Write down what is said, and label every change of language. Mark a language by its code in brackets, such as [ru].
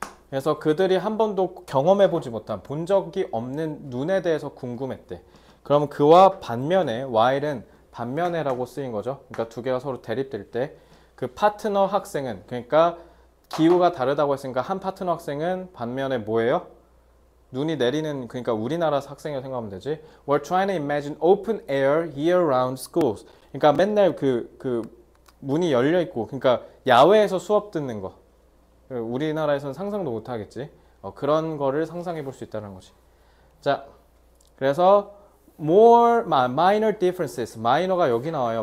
[ko] 그래서 그들이 한 번도 경험해보지 못한, 본 적이 없는 눈에 대해서 궁금했대. 그러면 그와 반면에, while은 반면에라고 쓰인 거죠. 그러니까 두 개가 서로 대립될 때, 그 파트너 학생은, 그러니까 기후가 다르다고 했으니까 한 파트너 학생은 반면에 뭐예요? 눈이 내리는, 그러니까 우리나라 학생을 생각하면 되지. [en] We're trying to imagine open air year round schools. [ko] 그러니까 맨날 그 문이 열려 있고, 그러니까 야외에서 수업 듣는 거. 우리나라에서는 상상도 못 하겠지. 그런 거를 상상해 볼수 있다는 거지. 자, 그래서 [en] more, minor differences. [ko] 마이너가 여기 나와요.